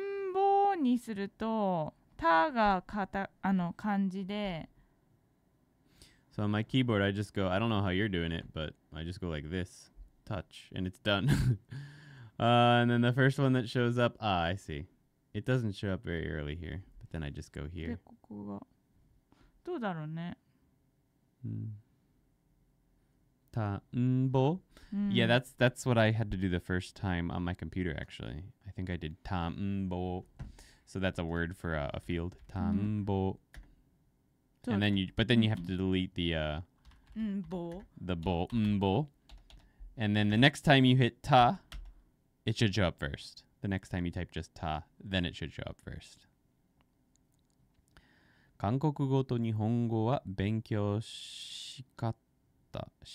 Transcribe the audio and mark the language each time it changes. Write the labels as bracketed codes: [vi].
[ja] ターンボーにすると ターが漢字で [en] So on my keyboard, I just go, I don't know how you're doing it, but I just go like this, touch, and it's done. and then the first one that shows up, I see. It doesn't show up very early here, but then I just go here. [ja] どうだろうね? [en] Ta-n-bo. Yeah, that's what I had to do the first time on my computer, actually. I think I did ta-n-bo. So that's a word for a field. Ta-n-bo. And then you have to delete the bo. And then the next time you hit ta, it should show up first. The next time you type just ta, then it should show up first. [ja] 韓国語と日本語は勉強しかた。